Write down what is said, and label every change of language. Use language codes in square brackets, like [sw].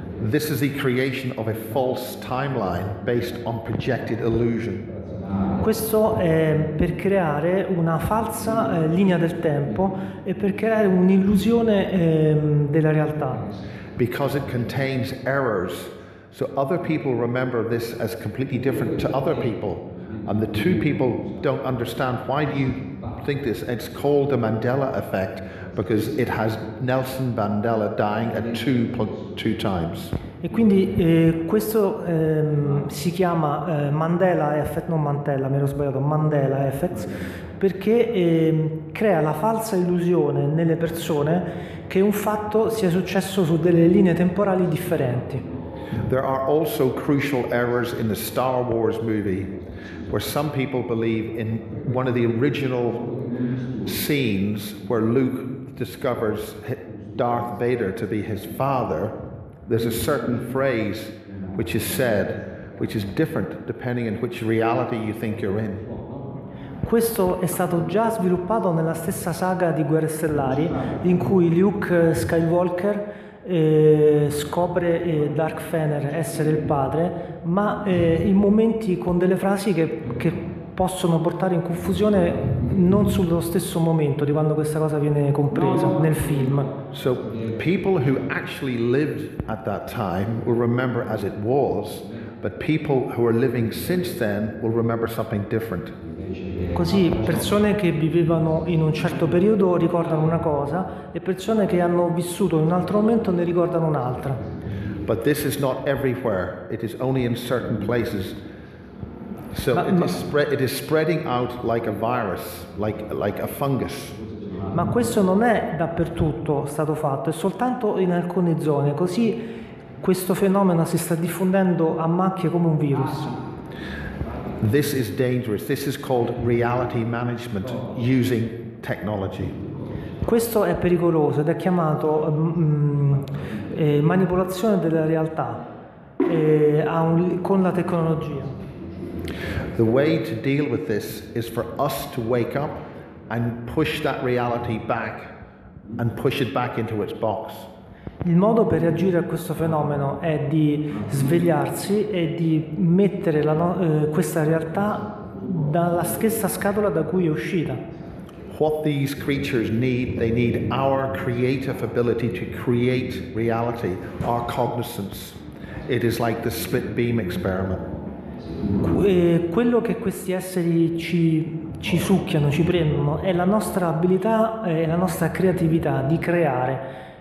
[en] This is the creation of a false timeline based on projected illusion. [it] Questo è per creare una falsa linea del tempo e per creare un'illusione della realtà. [en] Because it contains errors, so other people remember this as completely different to other people, and the two people don't understand why do you think this. It's called the Mandela effect because it has Nelson Mandela dying at two times. [it] E quindi questo si chiama Mandela effect, non Mantella, mi ero sbagliato, Mandela effect, perché crea la falsa illusione nelle persone che un fatto sia successo su delle linee temporali differenti. [en] There are also crucial errors in the Star Wars movie where some people believe in one of the original scenes where Luke discovers Darth Vader to be his father. There's a certain phrase which is said which is different depending on which reality you think you're in. [it] Questo è stato già sviluppato nella stessa saga di Guerre Stellari in cui Luke Skywalker scopre Darth Vader essere il padre, ma in momenti con delle frasi che possono portare in confusione non sullo stesso momento di quando questa cosa viene compresa nel film. [en] So people who actually lived at that time will remember as it was, but people who are living since then will remember something different. [it] Così persone che vivevano in un certo periodo ricordano una cosa e persone che hanno vissuto in un altro momento ne ricordano un'altra. [en] But this is not everywhere, it is only in certain places. So it is spreading out like a virus, like a fungus. [it] Ma questo non è dappertutto stato fatto, è soltanto in alcune zone. Così questo fenomeno si sta diffondendo a macchie come un virus. [en] This is dangerous. This is called reality management using technology. [it] Questo è pericoloso ed è chiamato manipolazione della realtà con la tecnologia. [en] The way to deal with this is for us to wake up and push that reality back and push it back into its box. [it] Il modo per reagire a questo fenomeno è di svegliarsi e di mettere questa realtà dalla stessa scatola da cui è uscita. [en] What these creatures need, they need our creative ability to create reality, our cognizance. It is like the split beam experiment. [it] Quello che questi esseri ci succhiano, ci prendono, è la nostra abilità e la nostra creatività di creare.